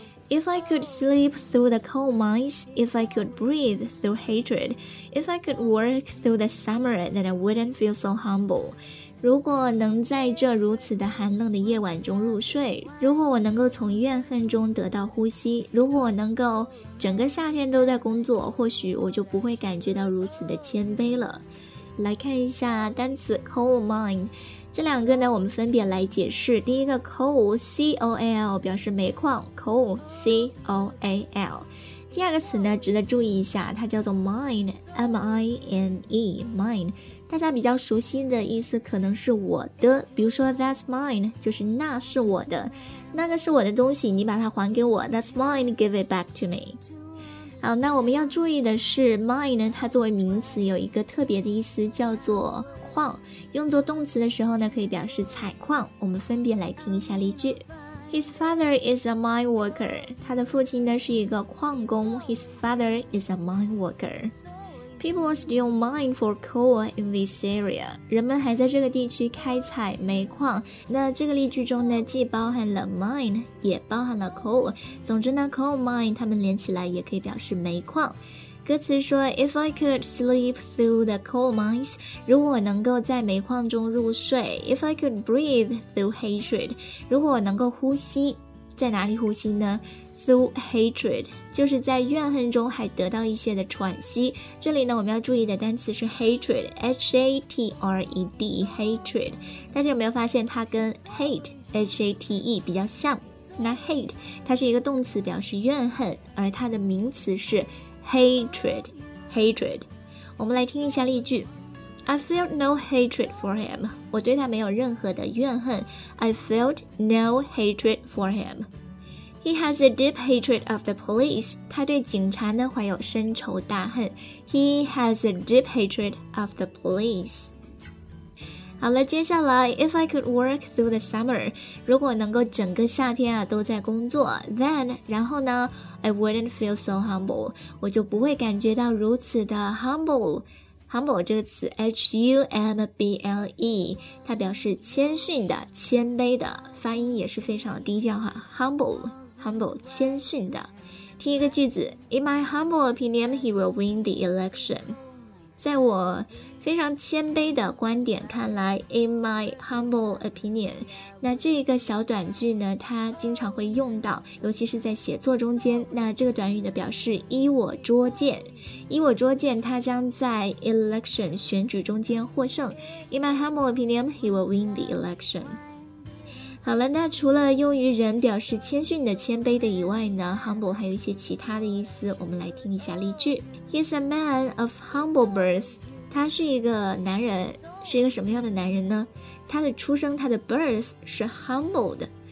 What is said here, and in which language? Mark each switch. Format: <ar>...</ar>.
<en>If I could sleep through the coal mines, if I could breathe through hatred, if I could work through the summer, then I wouldn't feel so humble.</en> <zh>如果能在这如此的寒冷的夜晚中入睡，如果我能够从怨恨中得到呼吸，如果我能够整个夏天都在工作，或许我就不会感觉到如此的谦卑了。来看一下单词 coal mine。这两个呢我们分别来解释。第一个 coal, C-O-A-L, 表示煤矿 coal, C-O-A-L。第二个词呢值得注意一下，它叫做 mine, M-I-N-E, mine。大家比较熟悉的意思可能是我的，比如说</zh> <en>that's mine,</en> <zh>就是那是我的，那个是我的东西，你把它还给我，</zh> <en>that's mine, give it back to me。</en> <zh>好，那我们要注意的是 mine 它作为名词有一个特别的意思叫做矿，用作动词的时候呢可以表示采矿。我们分别来听一下例句。</zh> <en>His father is a mine worker.</en> <zh>他的父亲呢是一个矿工。</zh> <en>His father is a mine worker. People still mine for coal in this area.</en> <zh>人们还在这个地区开采煤矿。那这个例句中呢既包含了 mine 也包含了 coal。总之呢 coal mine 它们连起来也可以表示煤矿。歌词说</zh> <en>If I could sleep through the coal mines,</en> <zh>如果我能够在煤矿中入睡。</zh> <en>If I could breathe through hatred,</en> <zh>如果我能够呼吸。在哪里呼吸呢？</zh> <en>Through hatred,</en> <zh>就是在怨恨中还得到一些的喘息。这里呢我们要注意的单词是 hatred, H-A-T-R-E-D, hatred。大家有没有发现它跟 hate, H-A-T-E 比较像？那 hate 它是一个动词表示怨恨，而它的名词是Hatred, hatred. 我们来听一下例句。</zh> <en>I felt no hatred for him.</en> <zh>我对他没有任何的怨恨。</zh> <en>I felt no hatred for him. He has a deep hatred of the police.</en> <zh>他对警察呢怀有深仇大恨。</zh> <en>He has a deep hatred of the police.</en> <zh>好了，接下来</zh> <en>If I could work through the summer,</en> <zh>如果能够整个夏天啊都在工作， then, 然后呢</zh> <en>I wouldn't feel so humble,</en> <zh>我就不会感觉到如此的 humble。 Humble 这个词 H-U-M-B-L-E, 它表示谦逊的谦卑的，发音也是非常低调哈。</zh> <en>Humble, humble,</en> <zh>谦逊的。 听一个句子，</zh> <en>In my humble opinion, he will win the election.</en> <zh>在我非常谦卑的观点看来，</zh> <en>In my humble opinion，</en> <zh>那这个小短句呢它经常会用到，尤其是在写作中间。那这个短语的表示依我拙见，依我拙见它将在 election 选举中间获胜。</zh> <en>In my humble opinion he will win the election。</en> <zh>好了，那除了用于人表示谦逊的谦卑的以外呢， humble 还有一些其他的意思，我们来听一下例句。</zh> <en>He's a man of humble birth。</en> <zh>他是一个男人，是一个什么样的男人呢？他的出生，他的 birth 是 humble 的。</zh>